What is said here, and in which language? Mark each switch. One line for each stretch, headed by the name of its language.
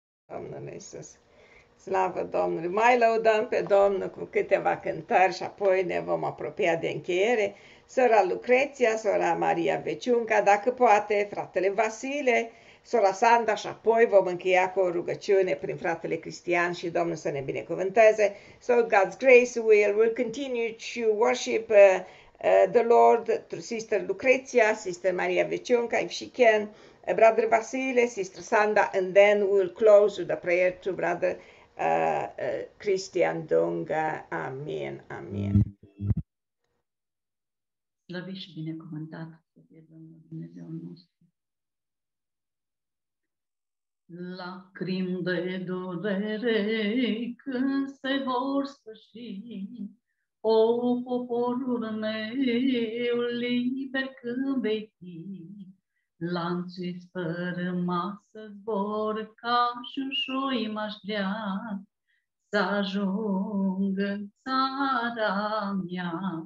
Romanian: Domnule Iisus, slavă Domnului! Mai lăudăm pe Domnul cu câteva cântări și apoi ne vom apropia de încheiere. Sora Lucreția, sora Maria Veciunca, dacă poate, fratele Vasile, sora Sanda și apoi vom încheia cu o rugăciune prin fratele Cristian și Domnul să ne binecuvânteze.
English: So God's grace, we'll continue to worship the Lord through Sister Lucreția, Sister Maria Veciunca, if she can, Brother Vasile, Sister Sanda, and then we'll close with a prayer to Brother Cristian Dunga.
Romanian: Amin, amin. Slăvit și binecuvântat să fie Domnul Dumnezeu nostru. Lacrimi de durere când se vor sfârși, o, poporul meu, liber când vei fi, lanțuri fără masă zbor, ca și ușoi m-aș vrea să ajung în țara mea.